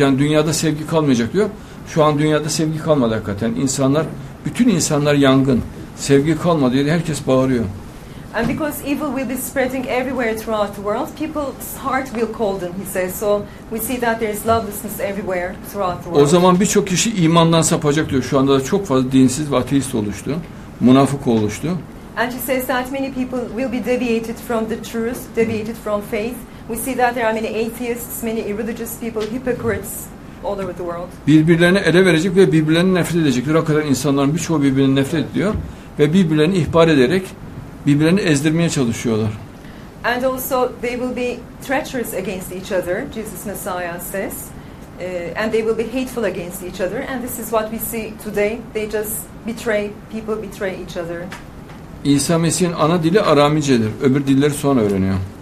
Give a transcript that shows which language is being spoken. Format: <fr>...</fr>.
<tr>Yani dünyada sevgi kalmayacak diyor. Şu an dünyada sevgi kalmadı hakikaten. İnsanlar, bütün insanlar yangın. Sevgi kalmadı diye herkes bağırıyor.</tr> <en>And because evil will be spreading everywhere throughout the world, people's heart will colden, he says. So we see that there is lovelessness everywhere throughout the world.</en> <tr>O zaman birçok kişi imandan sapacak diyor. Şu anda da çok fazla dinsiz ve ateist oluştu. Münafık oluştu.</tr> <en>And she says that many people will be deviated from the truth, deviated from faith. We see that there are many atheists, many irreligious people, hypocrites all over the world.</en> <tr>Birbirlerine ele verecek ve birbirlerini nefret edecekler. O kadar insanların birçoğu birbirini nefret ediyor ve birbirlerini ihbar ederek birbirlerini ezdirmeye çalışıyorlar.</tr> <en>And also they will be treacherous against each other, Jesus Messiah says. And they will be hateful against each other, and this is what we see today. They just betray people, betray each other.</en> <tr>İsa Mesih'in ana dili Aramice'dir. Öbür dilleri sonra öğreniyor.</tr>